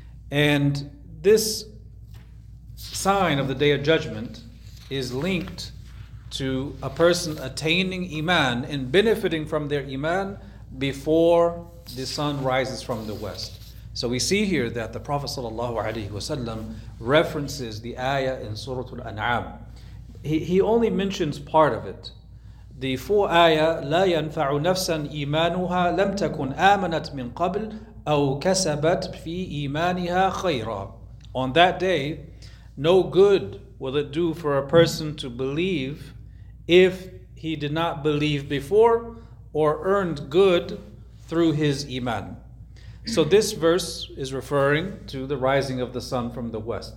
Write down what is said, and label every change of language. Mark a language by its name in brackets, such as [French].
[English] And this sign of the Day of Judgment is linked to a person attaining iman and benefiting from their iman before the sun rises from the west. So we see here that the Prophet sallallahu alaihi wasallam references the ayah in Surah Al-An'am. He only mentions part of it. The full ayah, [Arabic] لَا يَنْفَعُ نَفْسًا إِيمَانُهَا لَمْ تَكُنْ آمَنَتْ مِنْ قَبْلِ أَوْ كَسَبَتْ فِي إِيمَانِهَا خَيْرًا. [English] On that day, no good will it do for a person to believe if he did not believe before or earned good through his iman. So this verse is referring to the rising of the sun from the west.